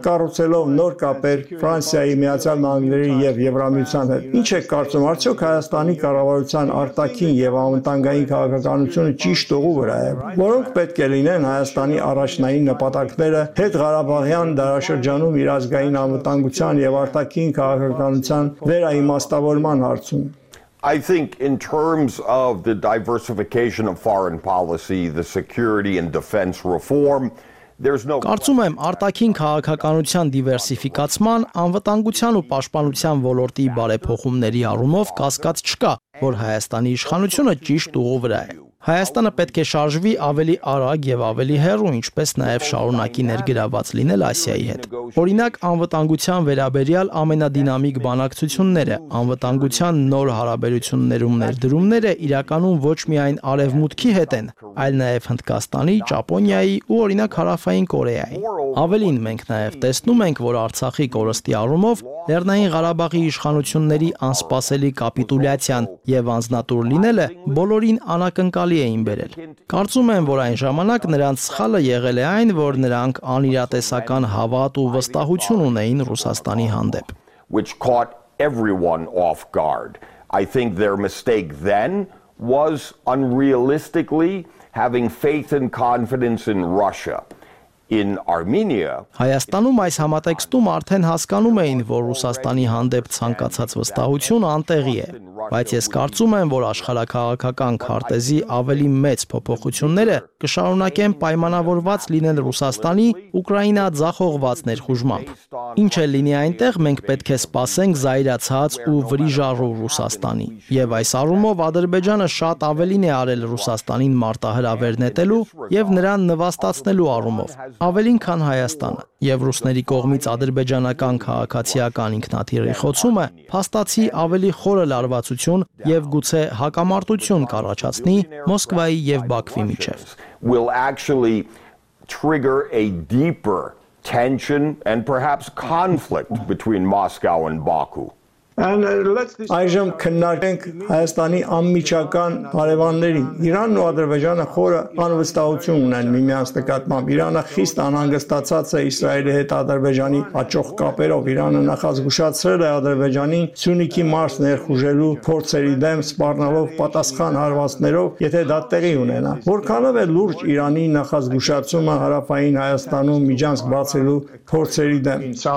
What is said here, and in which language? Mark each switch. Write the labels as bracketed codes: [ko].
[hy] կառուցելով նոր կապեր Ֆրանսիայի, Միացյալ Նահանգների եւ Եվրամիության հետ։ Ինչ եք կարծում, արդյոք Հայաստանի կառավարության արտաքին եւ անվտանգային քաղաքականությունը ճիշտ ուղու վրա է, որոնք պետք է լինեն Հայաստանի առաջնային նպատակները հետ Ղարաբաղյան դարաշրջանում իր ազգային անվտանգության եւ արտաքին քաղաքականության վերաիմաստավորման հարցում։ [en] I think in terms of the diversification of foreign policy, the security and defense reform, there's no [hy] Կարծում եմ, արտաքին քաղաքականության դիվերսիֆիկացման, անվտանգության ու պաշտպանության ոլորտի բարեփոխումների առումով կասկած չկա, որ Հայաստանի իշխանությունը ճիշտ ուղու վրա է։ Հայաստանը պետք է շարժվի ավելի արագ եւ ավելի հեռու, ինչպես նաեւ շարունակի ներգրաված լինել Ասիայի հետ։ Օրինակ, անվտանգության վերաբերյալ ամենադինամիկ բանակցությունները, անվտանգության նոր հարաբերություններում ներդրումները իրականում ոչ միայն Արևմուտքի հետ են, այլ նաեւ Հնդկաստանի, Ճապոնիայի ու օրինակ Հարավային Կորեայի։ Ավելին, մենք նաեւ տեսնում ենք, որ Արցախի կորստի առումով Լեռնային Ղարաբաղի իշխանությունների անսպասելի կապիտուլյացիան եւ անznատուր լինելը բոլորին անակնկալի էին բերել։ Կարծում եմ, որ այն ժամանակ նրանց սխալը եղել է այն, որ նրանք անիրատեսական հավատ ու վստահություն ունեին Ռուսաստանի հանդեպ։ [en] Which caught everyone off guard. I think their mistake then was unrealistically having faith and confidence in Russia. In Armenia, [hy] Հայաստանում այս համատեքստում արդեն հասկանում էին, որ Ռուսաստանի հանդեպ ցանկացած վստահություն անտեղի է, բայց ես կարծում եմ, որ աշխարհակաղակական քարտեզի ավելի մեծ փոփոխությունները կշարունակեն պայմանավորված լինել Ռուսաստանի Ուկրաինա ձախողված ներխուժմամբ։ Ինչ է լինի այնտեղ, մենք պետք է սպասենք զայրացած ու վրիժառու Ռուսաստանի, եւ այս առումով Ադրբեջանը շատ ավելին է արել Ռուսաստանին մարտահրավեր նետելու եւ նրան նվաստացնելու առումով, ավելին քան Հայաստանը։ Եվ ռուսների կողմից ադրբեջանական քաղաքացիական ինքնաթիռի խոցումը փաստացի ավելի խորը լարվածություն եւ գուցե հակամարտություն կառաջացնի Մոսկվայի եւ Բաքվի միջեւ։ [en] Will actually trigger a deeper tension and perhaps conflict between Moscow and Baku. [hy] Այժմ քննարկենք Հայաստանի անմիջական հարևաններին։ Իրանն ու Ադրբեջանը խորը անվստահություն ունեն միմյանց նկատմամբ։ Իրանը խիստ անհանգստացած է Իսրայելի հետ Ադրբեջանի աճող կապերով։ Իրանը նախազգուշացրել է Ադրբեջանին Սյունիքի մարզ ներխուժելու փորձերի դեմ սպառնալով պատասխան հարվածներով, եթե դա տեղի ունենա։ Որքանով է լուրջ Իրանի նախազգուշացումը հարավային Հայաստանում միջանցք բացելու փորձերի դեմ։